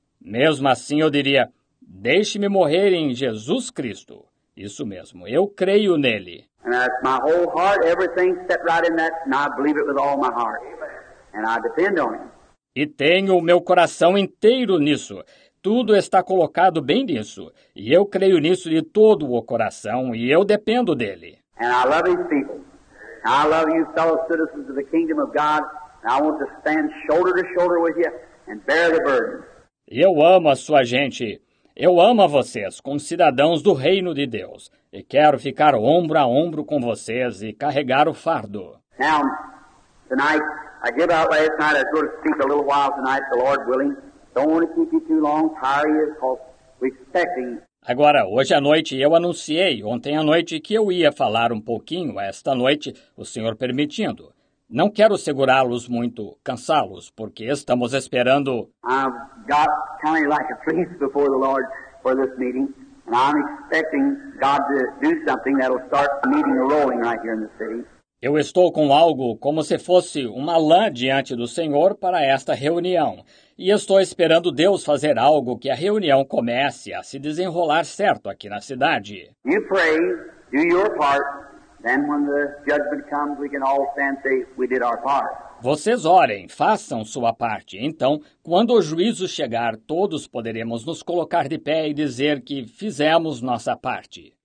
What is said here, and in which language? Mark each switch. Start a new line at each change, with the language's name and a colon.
Portuguese: Mesmo assim eu diria, deixe-me morrer em Jesus Cristo. Isso mesmo, eu creio nele.
English: And that's my whole heart, everything set right in that, and I believe it with all my heart. And I depend on him.
Portuguese: E tenho o meu coração inteiro nisso. Tudo está colocado bem nisso. E eu creio nisso de todo o coração, e eu dependo dele.
English: And I love his people. I love you fellow citizens of the kingdom of God. And I want to stand shoulder to shoulder with you and bear the burden.
Portuguese: E eu amo a sua gente. Eu amo a vocês como cidadãos do reino de Deus e quero ficar ombro a ombro com vocês e carregar o fardo.
English: Now, tonight, I give out last night, I was going to speak a little while tonight, the Lord willing. Don't want to keep you too long, tire you, because we're expecting.
Portuguese: Agora, hoje à noite, eu anunciei, ontem à noite, que eu ia falar um pouquinho esta noite, o Senhor permitindo. Não quero segurá-los muito, cansá-los, porque estamos esperando.
English: I've got kind of like a priest before the Lord for this meeting, and I'm expecting God to do something that'll start the meeting rolling right here in the city.
Portuguese: Eu estou com algo como se fosse uma lã diante do Senhor para esta reunião. E estou esperando Deus fazer algo que a reunião comece a se desenrolar certo aqui na cidade.
English: You pray, do your part, then when the judgment comes, we can all stand safe, we did our part.
Portuguese: Vocês orem, façam sua parte. Então, quando o juízo chegar, todos poderemos nos colocar de pé e dizer que fizemos nossa parte.